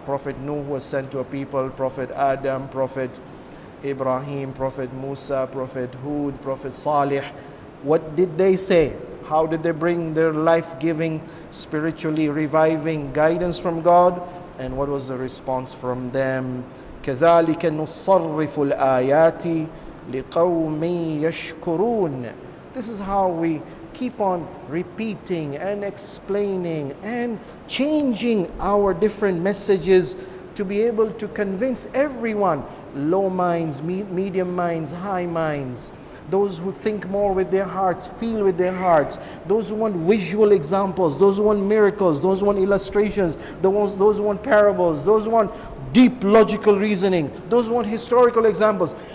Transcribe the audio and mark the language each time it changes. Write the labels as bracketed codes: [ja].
[en] Prophet Nuh was sent to a people, Prophet Adam, Prophet Ibrahim, Prophet Musa, Prophet Hud, Prophet Salih. What did they say? How did they bring their life-giving, spiritually reviving guidance from God? And what was the response from them? [ar] كذلك نصرف الآيات لقوم يشكرون. [en] This is how we keep on repeating and explaining and changing our different messages to be able to convince everyone, low minds, medium minds, high minds, those who think more with their hearts, feel with their hearts, those who want visual examples, those who want miracles, those who want illustrations, those who want parables, those who want deep logical reasoning, those who want historical examples.